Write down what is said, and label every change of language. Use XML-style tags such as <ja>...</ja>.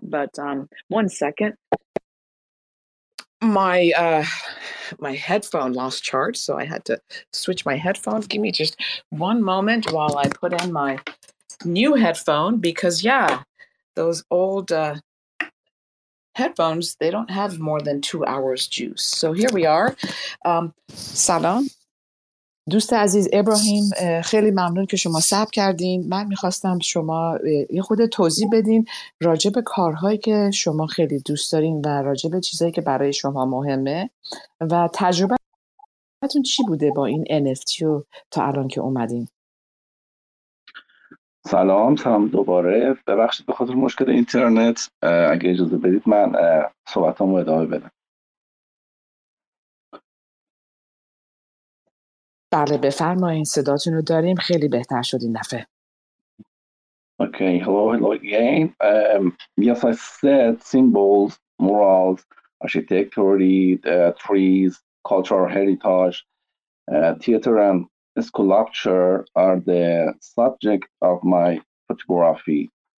<en>But 1 second. My headphone lost charge, so I had to switch my headphones. Give me just one moment while I put in my new headphone, because yeah, those old headphones, they don't have more than 2 hours juice. So here we are. Salam.</en> <fa>دوست عزیز ابراهیم، خیلی ممنون که شما صبر کردین. من میخواستم شما یه خود توضیح بدین راجع به کارهایی که شما خیلی دوست دارین و راجع به چیزایی که برای شما مهمه و تجربتون چی بوده با این NFT و تا الان که اومدین. سلام دوباره. ببخشید به خاطر مشکل اینترنت، اگه اجازه بدید من صحبتامو ادامه بدم. بله بفرمایید، صداتون رو داریم، خیلی بهتر شد این دفعه.</fa> <en>Okay, hello again. Yes, I said symbols, morals, architecture, trees, cultural heritage, theater and sculpture are the subject of my photography.</en>